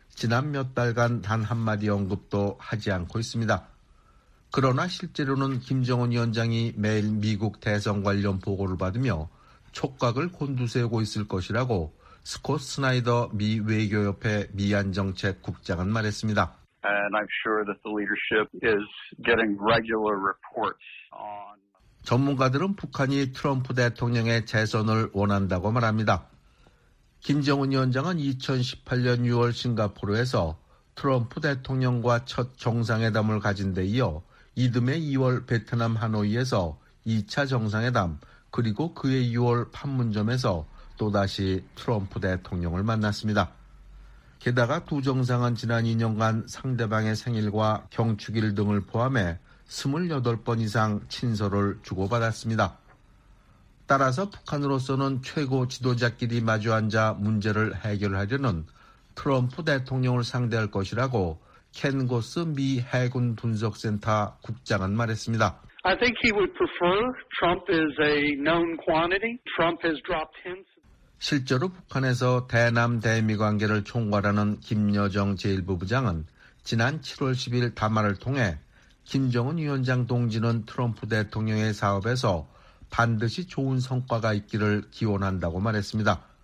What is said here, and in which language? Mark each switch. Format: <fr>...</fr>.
<ko>지난 몇 달간 단 한마디 언급도 하지 않고 있습니다. 그러나 실제로는 김정은 위원장이 매일 미국 대선 관련 보고를 받으며 촉각을 곤두세우고 있을 것이라고 스콧 스나이더 미 외교협회 미안정책 국장은 말했습니다.</ko> <en>And I'm sure that the leadership is getting regular reports on...</en> <ko>전문가들은 북한이 트럼프 대통령의 재선을 원한다고 말합니다. 김정은 위원장은 2018년 6월 싱가포르에서 트럼프 대통령과 첫 정상회담을 가진 데 이어 이듬해 2월 베트남 하노이에서 2차 정상회담 그리고 그해 6월 판문점에서 또다시 트럼프 대통령을 만났습니다. 게다가 두 정상은 지난 2년간 상대방의 생일과 경축일 등을 포함해 28번 이상 친서를 주고받았습니다. 따라서 북한으로서는 최고 지도자끼리 마주앉아 문제를 해결하려는 트럼프 대통령을 상대할 것이라고 켄 고스 미 해군 분석센터 국장은 말했습니다.</ko> <en>I think he would prefer Trump is a known quantity. Trump has dropped hints.</en> <ko>실제로 북한에서 대남 대미 관계를 총괄하는 김여정 제1부 부장은 지난 7월 10일 담화를 통해 김정은 위원장 동지는 트럼프 대통령의 사업에서 반드시 좋은 성과가 있기를 기원한다고 말했습니다.</ko>